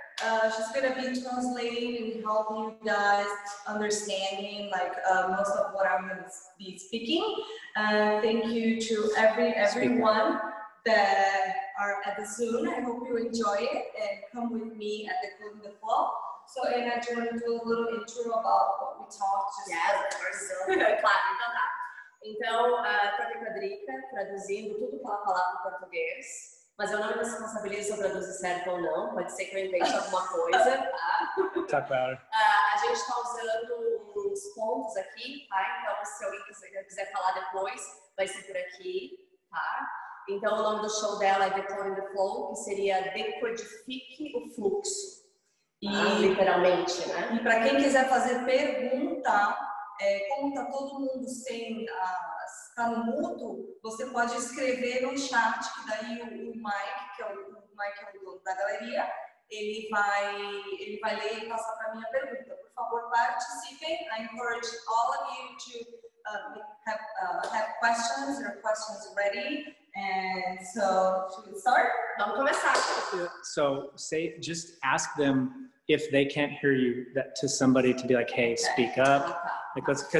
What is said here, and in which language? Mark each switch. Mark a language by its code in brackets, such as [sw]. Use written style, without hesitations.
[en] She's going to be translating and helping you guys understanding like most of what I'm going to be speaking. Thank you to everyone that are at the Zoom. I hope you enjoy it and come with me at the Decoding the Flow. So, Anna, do you want to do a little intro about what we talked to? Yes, of course. [pt] Então, Project Drica, traduzindo tudo que ela fala em português, mas eu não me responsabilizo se eu traduzir certo ou não, pode ser que eu invente alguma coisa. Tá claro. A gente está usando uns pontos aqui, tá? Então, se alguém quiser falar depois, vai ser por aqui, tá? Então, o nome do show dela é Decoding the Flow, que seria Decodifique o Fluxo. E, literalmente, né? E para quem quiser fazer pergunta, como está todo mundo sem está no mudo, você pode escrever no chat, que daí o Mike, que é o dono da galeria, ele vai ler e passar para a minha pergunta. Por favor, participem. [en] I encourage all of you to have questions, your questions ready. And so, should we start? [pt] Vamos começar. [en] So, just ask them if they can't hear you, that to somebody to be like, hey, okay. Speak up. Because okay.